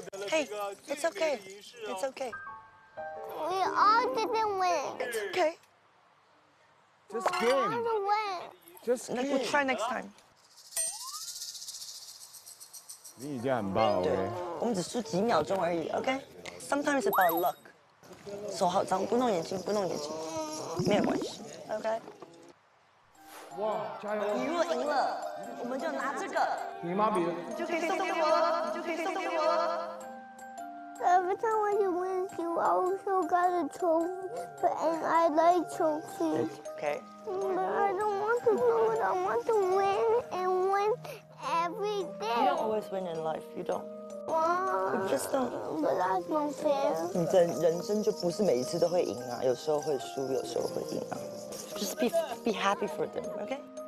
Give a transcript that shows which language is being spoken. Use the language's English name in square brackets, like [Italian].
[English] Hey, it's OK. It's OK. We all didn't win. It's OK. Just game. We have to win. Just game. We'll try next time. [Chinese] 你已经很棒了。对，我们只输几秒钟而已。 [English] OK. Sometimes it's about luck. [Chinese] 手好脏，不弄眼睛，不弄眼睛，没有关系。 [English] OK. [Chinese] 哇，加油！你如果赢了，我们就拿这个。你妈比，你就可以送给我，你就可以送给我。 [English] Every time when you win, you also got a trophy, and I like trophies. Okay. But I don't want to lose. I want to win and win every day. You don't always win in life. You don't. Wow. You just don't. But that's not fair. [Chinese] 你的人生就不是每一次都会赢啊，有时候会输，有时候会赢啊。 [English] Just be happy for them, okay?